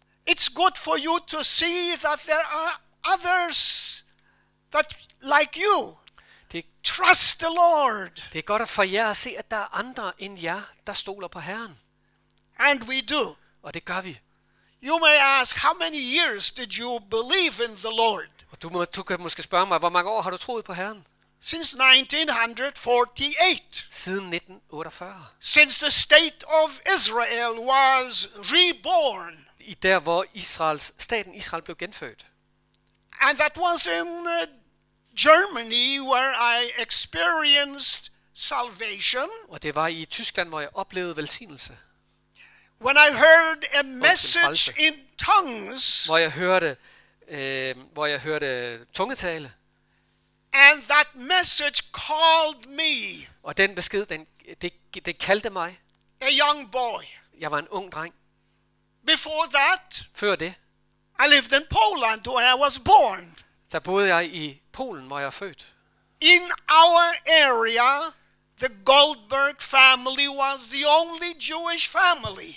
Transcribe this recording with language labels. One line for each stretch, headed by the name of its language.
English: It's good for you to see that there are others that like you. Trust the Lord.
Danish: Det er godt for jer at se, at der er andre end jer, der stoler på Herren.
English: And we do.
Danish: Og det gør vi.
English: You may ask, how many years did you believe in the Lord?
Danish: Og du kan måske spørge mig, hvor mange år har du troet på Herren?
English: Since 1948.
Danish: Siden 1948.
English: Since the state of Israel was reborn.
Danish: I der hvor Israels staten Israel blev genfødt.
English: And that was in Germany where I experienced salvation.
Danish: Og det var i Tyskland hvor jeg oplevede velsignelse.
English: When I heard a message in tongues.
Danish: Hvor jeg hørte tungetale.
English: And that message called me.
Danish: Og den besked det kaldte mig.
English: A young boy.
Danish: Jeg var en ung dreng.
English: Before that,
Danish: før det,
English: I lived in Poland where I was born.
Danish: Så boede jeg i Polen, hvor jeg er født.
English: In our area, the Goldberg family was the only Jewish family.